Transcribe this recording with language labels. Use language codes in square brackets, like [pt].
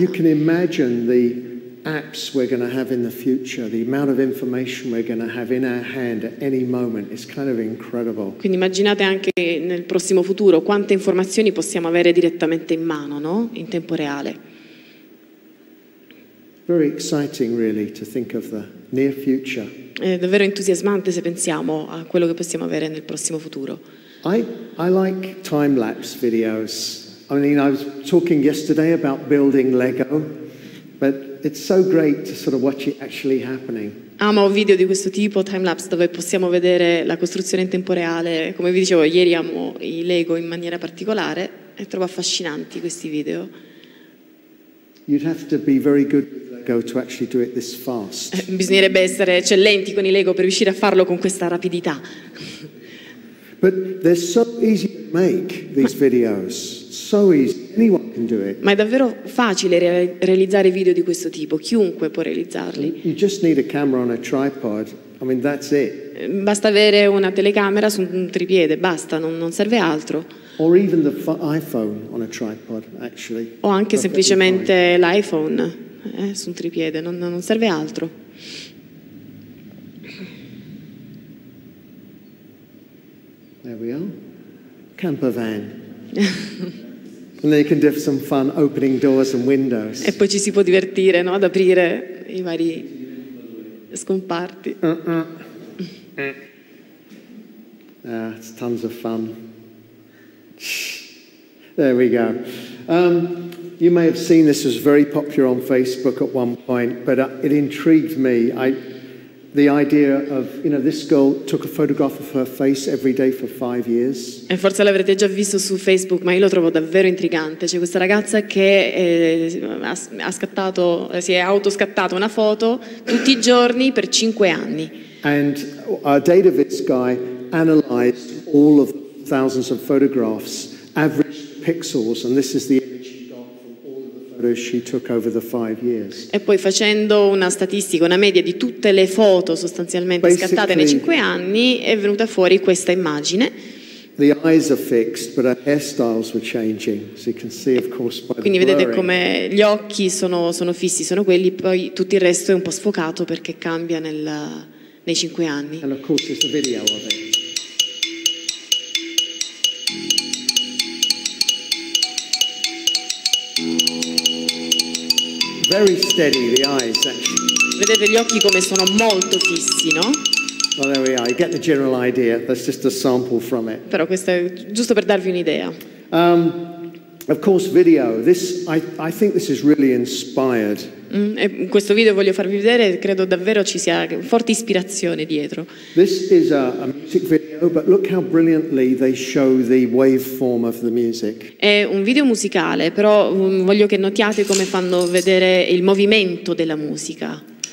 [en] You can imagine the apps we're going to have in the future, the amount of information we're going to have in our hand at any moment is kind of incredible. [it] Quindi immaginate anche nel prossimo futuro quante informazioni possiamo avere direttamente in mano, no? In tempo reale. [en] Very exciting, really, to think of the near future. [it] È davvero entusiasmante se pensiamo a quello che possiamo avere nel prossimo futuro. [en] I like time-lapse videos. I mean, I was talking yesterday about building Lego, but it's so great to sort of watch it actually happening. [it] Amo video di questo tipo, timelapse, dove possiamo vedere la costruzione in tempo reale. Come vi dicevo, ieri amo i Lego in maniera particolare e trovo affascinanti questi video. [en] You'd have to be very good with Lego to actually do it this fast. [it] Bisognerebbe essere eccellenti con i Lego per riuscire a farlo con questa rapidità. [en] But they're so easy to make, these videos. so easy. Anyone can do it. [it] Ma è davvero facile realizzare video di questo tipo. Chiunque può realizzarli. [en] You just need a camera on a tripod. I mean, that's it. [it] Basta avere una telecamera su un tripiede, basta, non serve altro. [en] Or even the iPhone on a tripod, actually. [it] O anche semplicemente l'iPhone su un tripiede, non serve altro. [en] There we are. Camper van. And then you can have some fun opening doors and windows. [it] E poi ci si può divertire, no? Ad aprire i vari scomparti. [en] It's tons of fun. There we go. You may have seen this was very popular on Facebook at one point, but it intrigued me. The idea of, you know, this girl took a photograph of her face every day for 5 years. [it] E forse l'avrete già visto su Facebook, ma io lo trovo davvero intrigante. C'è questa ragazza che si è autoscattata una foto tutti i giorni per 5 anni. [en] And a database guy analyzed all of thousands of photographs, averaged pixels, and this is the image she got from all the photos she took over the 5 years. [it] E poi facendo una statistica, una media di tutte le foto sostanzialmente scattate nei 5 anni, è venuta fuori questa immagine. [en] The eyes are fixed, but her hairstyles were changing. So you can see, of course, by the [it] quindi vedete come gli occhi sono fissi, sono quelli, poi tutto il resto è un po' sfocato perché cambia nei 5 anni. [en] And of course there's a video of it. Very steady, the eyes, actually. [it] Vedete gli occhi come sono molto fissi, no? [en] Well, there we are. You get the general idea. That's just a sample from it. [it] Però questo è giusto per darvi un'idea. [en] Of course, video. This, I think this is really inspired. [it] E questo video voglio farvi vedere. Credo davvero ci sia forte ispirazione dietro. [en] This is a music video, but look how brilliantly they show the waveform of the music. [it] È un video musicale, però voglio che notiate come fanno vedere il movimento della musica.